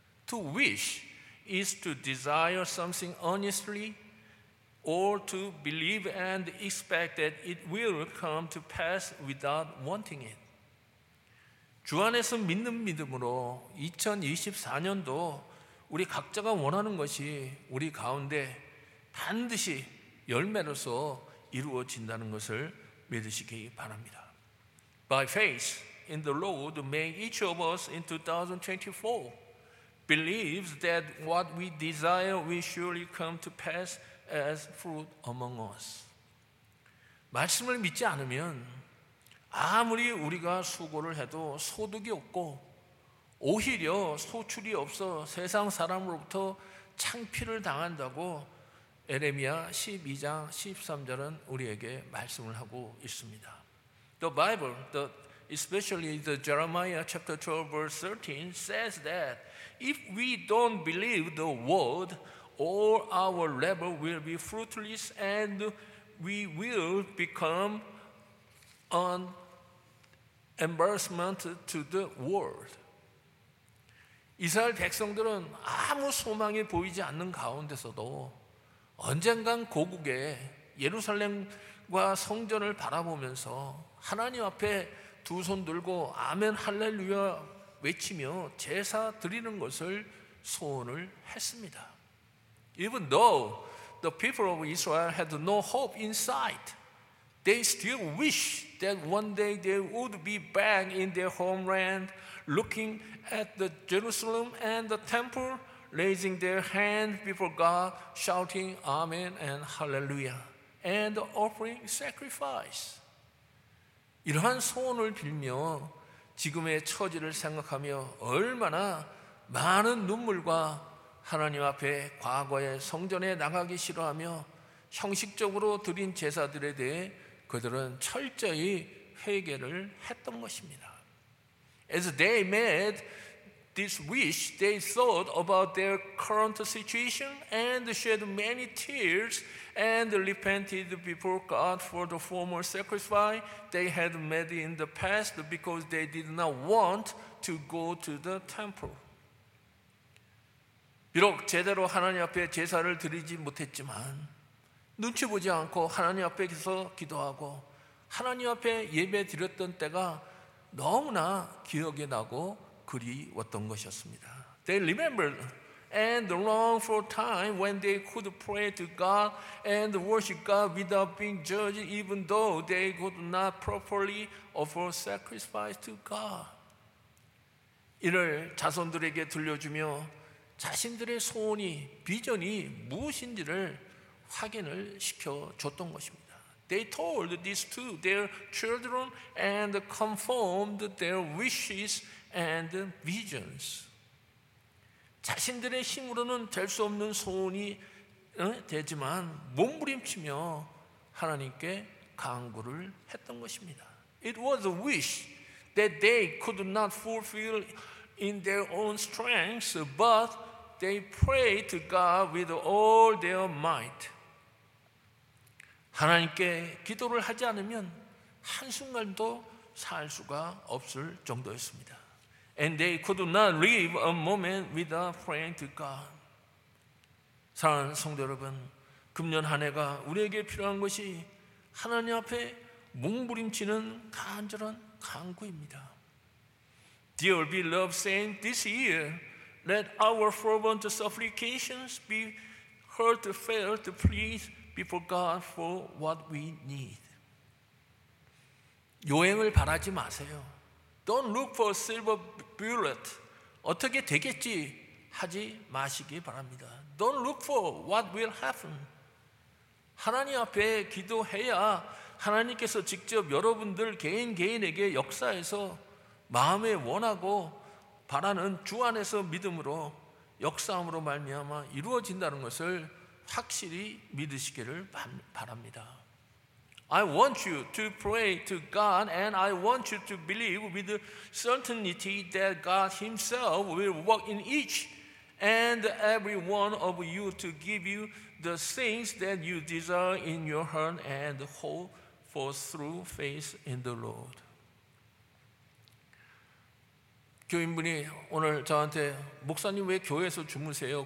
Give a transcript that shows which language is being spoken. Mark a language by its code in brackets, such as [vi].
[en] To wish is to desire something earnestly or to believe and expect that it will come to pass without wanting it. [ko] 주 안에서 믿는 믿음으로 2024년도 우리 각자가 원하는 것이 우리 가운데 반드시 열매로서 이루어진다는 것을 믿으시기 바랍니다. [en] By faith in the Lord, may each of us in 2024 believe that what we desire will surely come to pass as fruit among us. [ko] 말씀을 믿지 않으면 아무리 우리가 수고를 해도 소득이 없고 오히려 소출이 없어 세상 사람으로부터 창피를 당한다고 에레미야 12장 13절은 우리에게 말씀을 하고 있습니다. [en] The Bible, especially the Jeremiah chapter 12 verse 13 says that if we don't believe the word, all our labor will be fruitless and we will become an embarrassment to the world. [ko] 이스라엘 백성들은 아무 소망이 보이지 않는 가운데서도 언젠간 고국에 예루살렘과 성전을 바라보면서 하나님 앞에 두 손 들고 아멘 할렐루야 외치며 제사 드리는 것을 소원을 했습니다. [en] Even though the people of Israel had no hope in sight, they still wish that one day they would be back in their homeland, looking at the Jerusalem and the temple, raising their hand before God, shouting Amen and Hallelujah, and offering sacrifice. [ko] 이러한 소원을 빌며 지금의 처지를 생각하며 얼마나 많은 눈물과 하나님 앞에 과거의 성전에 나가기 싫어하며 형식적으로 드린 제사들에 대해 그들은 철저히 회개를 했던 것입니다. [en] As they made this wish, they thought about their current situation and shed many tears and repented before God for the former sacrifice they had made in the past because they did not want to go to the temple. [ko] 비록 제대로 하나님 앞에 제사를 드리지 못했지만 눈치 보지 않고 하나님 앞에서 기도하고 하나님 앞에 예배 드렸던 때가 너무나 기억이 나고 그리웠던 것이었습니다. [en] They remembered and longed for time when they could pray to God and worship God without being judged even though they could not properly offer sacrifice to God. [ko] 이를 자손들에게 들려주며 자신들의 소원이 비전이 무엇인지를 확인을 시켜줬던 것입니다. [en] They told this to their children and confirmed their wishes and visions. [ko] 자신들의 힘으로는 될 수 없는 소원이 되지만 몸부림치며 하나님께 간구를 했던 것입니다. [en] It was a wish that they could not fulfill in their own strength, but they prayed to God with all their might. [ko] 하나님께 기도를 하지 않으면 한순간도 살 수가 없을 정도였습니다. [en] And they could not live a moment without praying to God. [ko] 사랑하는 성도 여러분, 금년 한 해가 우리에게 필요한 것이 하나님 앞에 몸부림치는 간절한 간구입니다. [en] Dear beloved saints, this year, let our fervent supplications be heartfelt pleas before God for what we need. [ko] 요행을 바라지 마세요. [en] Don't look for a silver bullet. [ko] 어떻게 되겠지 하지 마시기 바랍니다. [en] Don't look for what will happen. [ko] 하나님 앞에 기도해야 하나님께서 직접 여러분들 개인 개인에게 역사해서 마음에 원하고 바라는 주 안에서 믿음으로 역사함으로 말미암아 이루어진다는 것을 확실히 믿으시기를 바랍니다. [en] I want you to pray to God and I want you to believe with certainty that God himself will work in each and every one of you to give you the things that you desire in your heart and hope for through faith in the Lord. [ko] 교인분이 오늘 저한테 목사님 왜 교회에서 주무세요?